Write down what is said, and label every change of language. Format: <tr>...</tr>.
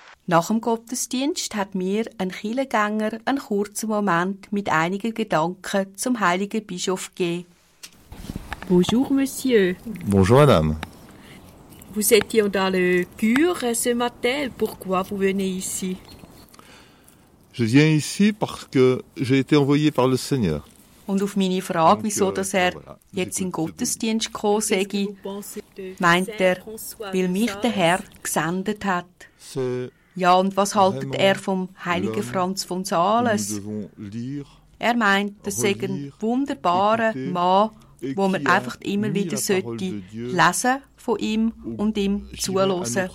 <de>Nach dem Gottesdienst hat mir ein Kirchengänger einen kurzen Moment mit einigen Gedanken zum heiligen Bischof gegeben.</de> <fr>Bonjour, Monsieur. Bonjour, Madame. Vous étiez dans le cure ce matin. Pourquoi vous venez ici? Je viens ici parce que j'ai été envoyé par le Seigneur.</fr> <de>Und auf meine Frage, wieso dass er jetzt in Gottesdienst gekommen sei, meint er, weil mich der Herr gesendet hat. Ja, und was haltet er vom heiligen Franz von Sales? Er meint, das sei ein wunderbarer Mann, wo man einfach immer wieder sollte lesen von ihm und ihm zuhören.</de>